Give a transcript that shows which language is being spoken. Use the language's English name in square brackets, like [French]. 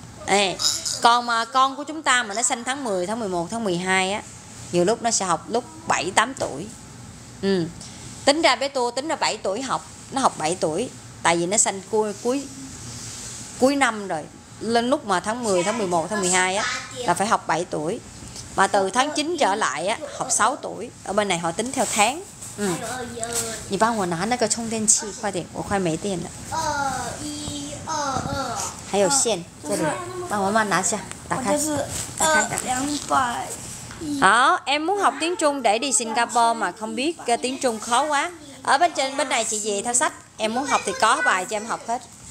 [Vietnamese] Ê, còn mà con của chúng ta mà nó sinh tháng 10, tháng 11, tháng 12 á, nhiều lúc nó sẽ học lúc 7, 8 tuổi. Ừ. Tính ra bé tôi tính ra 7 tuổi học, nó học 7 tuổi tại vì nó sinh cuối năm rồi. Lên lúc mà tháng 10, tháng 11, tháng 12 á là phải học 7 tuổi. Mà từ tháng 9 trở lại á học 6 tuổi. Ở bên này họ tính theo tháng. Ừ. [Chinese] 你幫我拿那個充電器快點,我快沒電了。二二，还有线，这里，帮妈妈拿下，打开，打开，打开。 200. [Vietnamese] Hảo, em muốn học tiếng Trung để đi Singapore mà không biết tiếng Trung khó quá. Ở bên trên bên này chị về theo sách, em muốn học thì có bài cho em học hết.